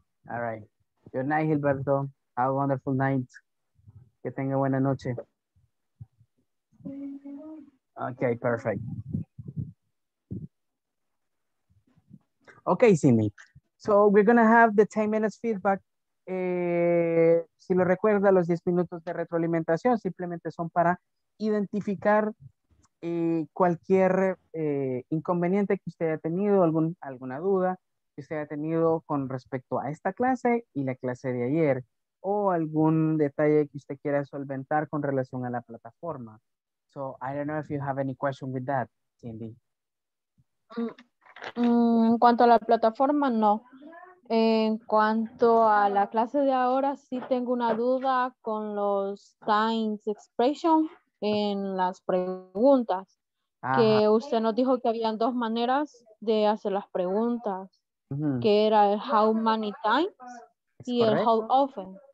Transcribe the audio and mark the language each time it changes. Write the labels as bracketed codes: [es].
[en] All right. Good night, Gilberto. Have a wonderful night. [es] Que tenga buena noche. [en] Okay, perfect. Okay, Cindy. So we're going to have the 10 minutes feedback. [es] Si lo recuerda, los 10 minutos de retroalimentación simplemente son para identificar cualquier inconveniente que usted haya tenido, alguna duda que usted haya tenido con respecto a esta clase y la clase de ayer, o algún detalle que usted quiera solventar con relación a la plataforma. [en] So, I don't know if you have any question with that, Cindy. [es] En cuanto a la plataforma, no. En cuanto a la clase de ahora, sí tengo una duda con los times expression en las preguntas. Ajá. Que usted nos dijo que habían dos maneras de hacer las preguntas, que era el how many times es y correcto. El how often.